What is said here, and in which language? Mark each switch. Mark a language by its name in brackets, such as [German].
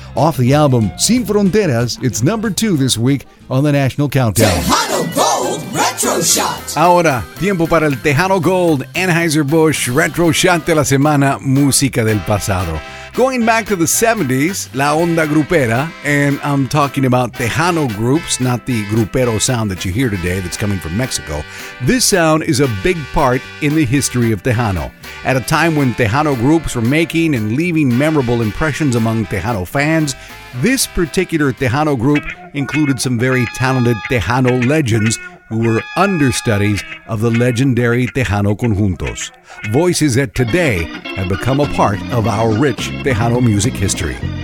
[English] Off the album Sin Fronteras, it's number 2 this week on the National Countdown. Tejano Gold Retro Shot. [Spanish] Ahora, tiempo para el Tejano Gold Anheuser-Busch Retro Shot de la semana, música del pasado. [English] Going back to the 70s, [Spanish] la onda grupera, [English] and I'm talking about Tejano groups, not the grupero sound that you hear today that's coming from Mexico. This sound is a big part in the history of Tejano. At a time when Tejano groups were making and leaving memorable impressions among Tejano fans, this particular Tejano group included some very talented Tejano legends who were understudies of the legendary Tejano Conjuntos, voices that today have become a part of our rich Tejano music history.